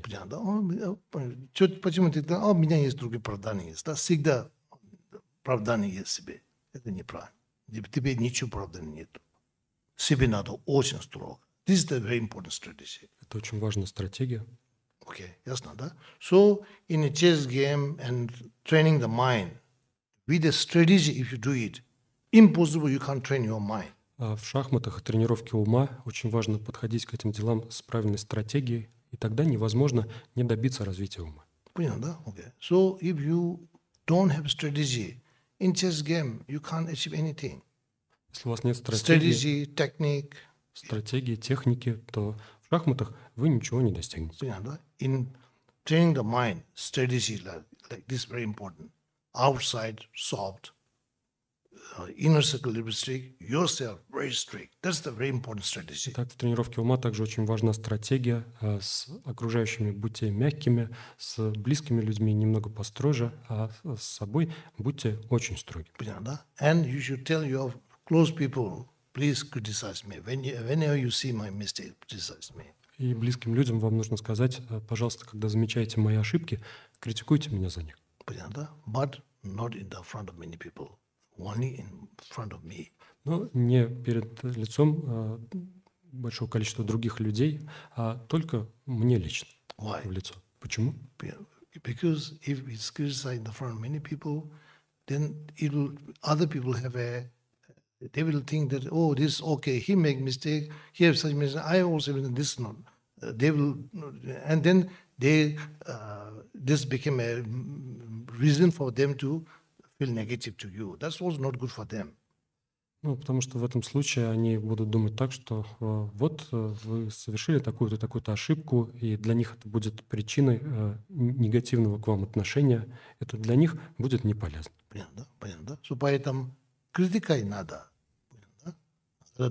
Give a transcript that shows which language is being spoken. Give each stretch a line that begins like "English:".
Russian: Понятно. Почему ты? А у меня есть другие оправдания. Да, всегда. Оправдание есть себе. Это неправильно. Тебе ничего оправдания нет. Себе надо очень строго.
English: This is the very important strategy.
Russian: Это очень важная стратегия. Окей, okay, ясно, да?
English: So, in a chess game and training the mind, with a strategy, if you do it, impossible, you can't train your mind.
Russian: В шахматах и тренировке ума очень важно подходить к этим делам с правильной стратегией, и тогда невозможно не добиться развития ума. Понятно, да? Окей. Okay.
English: So, if you don't have strategy, in chess game, you can't achieve anything.
Russian: Если у вас нет стратегии,
English: technique,
Russian: стратегии, техники, то в шахматах вы ничего не достигнете. Понятно, да?
English: In training the mind, strategy like this is very important. Outside, soft. Inner circle, little strict. Yourself, very strict. That's the very important strategy.
Russian: Так, в тренировке ума также очень важна стратегия. С окружающими будьте мягкими, с близкими людьми немного построже, а с собой будьте очень строги. Понятно, да?
English: And you should tell your close people, please criticize me. Whenever you see my mistake, criticize me.
Russian: И близким людям вам нужно сказать, пожалуйста, когда замечаете мои ошибки, критикуйте меня за них. Понятно, да?
English: But not in the front of many people. Only in front of me.
Russian: Но не перед лицом большого количества других людей, а только мне лично.
English: Why?
Russian: В лицо. Почему?
English: Because if it's criticized in the front of many people, then it will, other people have a, they will think that, oh, this is okay, he make mistake, he have such mistake, I also mean this not. They will, and then they, this became a reason for them to feel negative to you. That's also not good for them.
Russian: Ну, потому что в этом случае они будут думать так, что вот вы совершили такую-то, такую-то ошибку, и для них это будет причиной негативного к вам отношения. Это для них будет не полезно. Понятно, да? Понятно, да? So, поэтому критикой надо. Понятно, да?